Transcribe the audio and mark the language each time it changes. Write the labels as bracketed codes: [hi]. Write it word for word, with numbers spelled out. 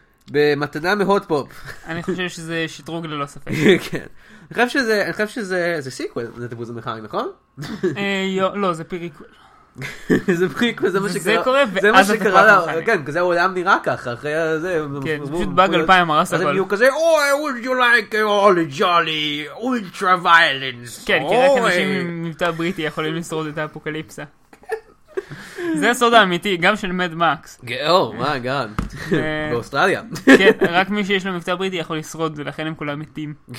[he] במתנה מהוט פופ. אני חושב שזה שדרוג ללא ספק. כן. אני חושב שזה, אני חושב שזה, זה סיקוול, זה תפוז המחאי, נכון? לא, זה פריקוול. זה פריקוול, זה מה שקרה. זה קורה, ואז אתה פרק מחאי. כן, כזה העולם נראה ככה, אחרי זה. כן, זה פשוט באג אלפיים הרס הכל. אז הם יהיו כזה, [en] oh, would you like all jolly ultra violence. [he] כן, כי רק אנשים עם מבטא בריטי יכולים לשרוד את האפוקליפסה. זה הסוד האמיתי, גם של מד מקס. או, מה, גאד. באוסטרליה. כן, רק מי שיש לו מבטא בריטי יכול לשרוד, ולכן הם כולם מתים.